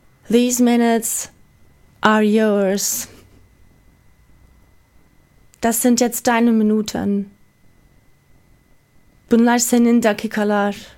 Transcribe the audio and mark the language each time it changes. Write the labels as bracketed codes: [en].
[en] These minutes are yours. [de] Das sind jetzt deine Minuten. [tr] Bunlar senin dakikalar.